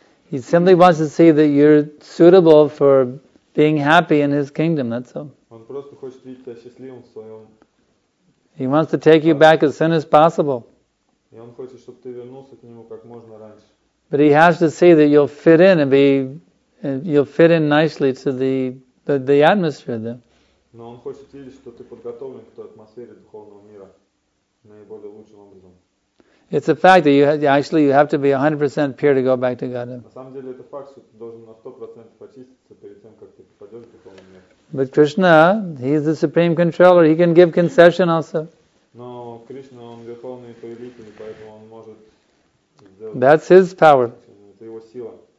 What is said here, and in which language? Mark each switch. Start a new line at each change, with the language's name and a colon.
English: He simply wants to see that you're suitable for being happy in his kingdom, that's all.
Russian: Он просто хочет видеть тебя счастливым в своем...
English: He wants to take you back as soon as possible.
Russian: И он хочет, чтобы ты вернулся к нему как можно раньше.
English: But he has to see that you'll fit in and be, and you'll fit in nicely to the atmosphere there.
Russian: Но он хочет видеть, что ты подготовлен к той атмосфере духовного мира наиболее лучшим образом.
English: It's a fact that you have to be 100% pure to go back to God.
Russian: На самом деле это факт, что ты должен на 100% очиститься перед тем, как ты попадешь в духовный мир.
English: But Krishna, he's the supreme controller. He can give concession also.
Russian: Но Кришна, он верховный повелитель, поэтому он может.
English: That's his power.
Russian: Это его сила.